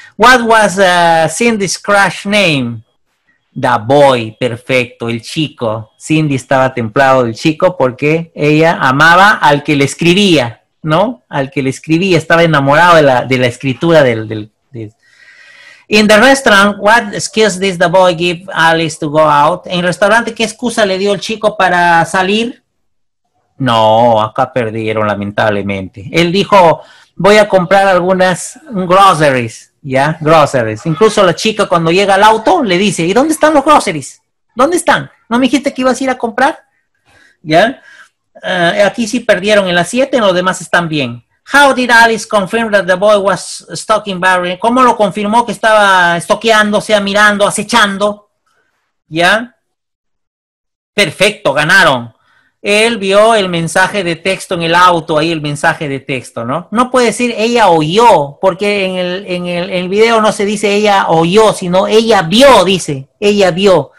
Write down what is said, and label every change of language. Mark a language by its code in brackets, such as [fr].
[en] What was Cindy's crush name? The boy, [es] perfecto, el chico. Cindy estaba templado del chico porque ella amaba al que le escribía. ¿No? Al que le escribía, estaba enamorado de la escritura del. [en] In the restaurant, what excuse did the boy give Alice to go out? [es] En el restaurante, ¿qué excusa le dio el chico para salir? No, acá perdieron, lamentablemente. Él dijo, voy a comprar algunas groceries, ¿ya? Groceries. Incluso la chica cuando llega al auto le dice, ¿y dónde están los groceries? ¿Dónde están? ¿No me dijiste que ibas a ir a comprar? ¿Ya? Aquí sí perdieron en las 7, en los demás están bien. [en] How did Alice confirm that the boy was stalking Barry? [es] ¿Cómo lo confirmó que estaba stalkeando, o sea, mirando, acechando? ¿Ya? Perfecto, ganaron. Él vio el mensaje de texto en el auto, ahí el mensaje de texto, ¿no? No puede decir ella oyó, porque en el video no se dice ella oyó, sino ella vio, dice, ella vio.